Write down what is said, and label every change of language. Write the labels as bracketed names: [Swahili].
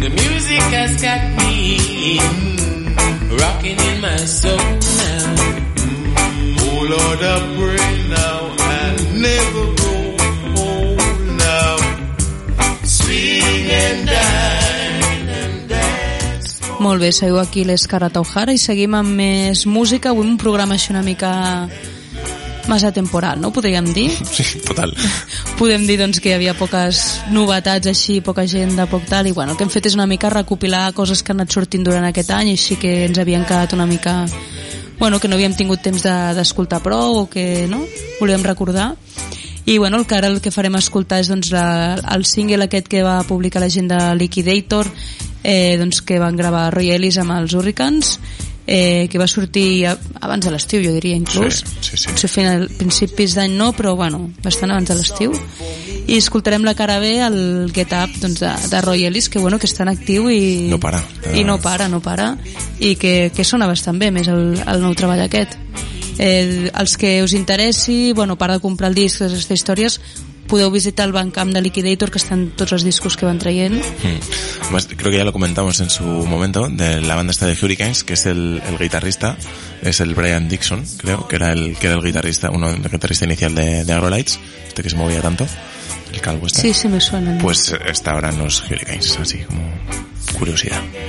[English] the music has got me rocking in my soul now. Oh Lord, I pray now I'll never go home now. Swing and dine and dance. [Catalan] Molt bé, seguiu aquí l'Escara Taujara i seguim amb més música. Avui un programa així una mica massa temporal, no? Podríem dir? Sí, total. Podem dir, doncs, que hi havia poques novetats així, poca agenda, poc tal, i bueno, el que hem fet és una mica recopilar coses que han anat sortint durant aquest any, així que ens havien quedat una mica, bueno, que no havíem tingut temps d'escoltar prou o que, no?, volíem recordar. I bueno, el que ara el que farem escoltar és, doncs, el single aquest que va publicar la gent de Liquidator, doncs, que van gravar Roy Ellis amb els Hurricanes, que va sortir abans de l'estiu, jo diria, inclús. Sí, sí, sí. Fent al principis d'any no, però bueno, bastant abans de l'estiu. I escoltarem la cara B, el Get Up, doncs, de Roy Ellis, que bueno, que està en actiu i... No para. I no para, no para. I que sona bastant bé, més el nou treball aquest. Els que us interessi, bueno, a part de comprar el disc, aquestes històries, podeu visitar el Bandcamp de Liquidator, que estan tots els discos que van traient. [Spanish] Además, creo que ya lo comentamos en su momento, de la banda esta de Hurricanes, que es el guitarrista, es el Brian Dixon, creo, que era el guitarrista, uno del guitarrista inicial de Agrolites, este que se movía tanto, el calvo este. Sí, sí, me suena. Pues está ahora en los Hurricanes, así como curiosidad.